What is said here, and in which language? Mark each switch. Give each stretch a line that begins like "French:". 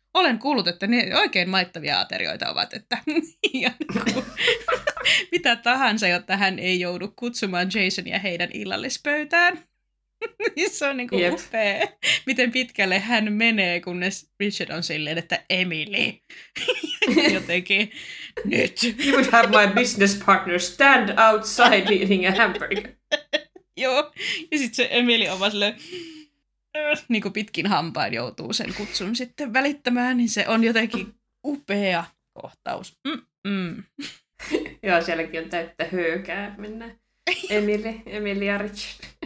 Finnish: Olen kuullut, että ne oikein maittavia aterioita ovat. Että, ja mitä tahansa, jotta hän ei joudu kutsumaan Jasonia heidän illallispöytään. Se on niin kuin upea, miten pitkälle hän menee, kunnes Richard on silleen, että Emily, jotenkin, nyt.
English: You would have my business partner stand outside eating a hamburger.
Finnish: Joo, ja sitten se Emily on vaan silleen, niin kuin pitkin hampain joutuu sen kutsun sitten välittämään, niin se on jotenkin upea kohtaus. Joo, sielläkin on täyttä höykää mennä. Emily ja Richard.